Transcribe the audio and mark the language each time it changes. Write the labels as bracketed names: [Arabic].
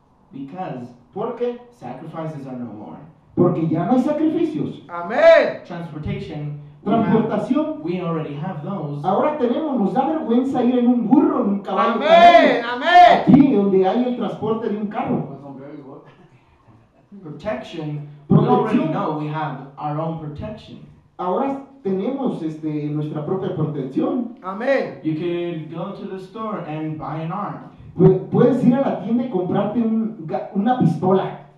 [English] Because porque sacrifices are no more. [Spanish] Porque ya no hay sacrificios. Amén. [English] Transportation. [Spanish] Transportación. [English] We already have those. [Spanish] Ahora tenemos, nos da vergüenza ir en un burro, en un caballo. Amén, amén. Aquí, donde hay el transporte de un carro. [English] Protection. We already know we have our own protection. [Spanish] Ahora tenemos nuestra propia protección. Amén. [English] You can go to the store and buy an arm. [Spanish] Puedes ir a la tienda y comprarte una pistola.